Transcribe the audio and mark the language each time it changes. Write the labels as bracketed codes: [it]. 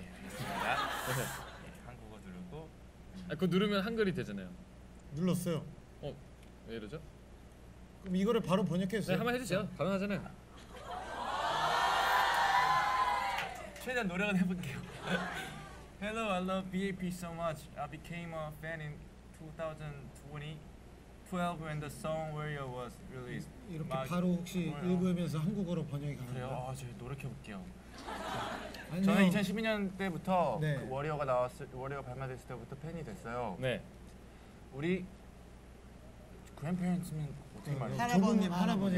[ko] 네, 한국어 누르고 아, 그거 누르면 한글이 되잖아요. 눌렀어요. 왜 이러죠? 그럼 이거를 바로 번역해주세요. 네, 한번 해주세요. 가능하잖아요. 최대한 노력은 해볼게요. [en] Hello, I love BAP so much. I became a fan in 2012 when the song Where You Was released. [ko] 이렇게 바로 혹시 읽으면서 한국어로 번역이 가능한가요? 그래요? 저희 노력해볼게요. 저는 2012년 때부터 네. 그 워리어가 나왔을 워리어 발매됐을 때부터 팬이 됐어요. 네. 우리 그랜드패런츠는 어떻게 말해요? 할아버님, 할아버님,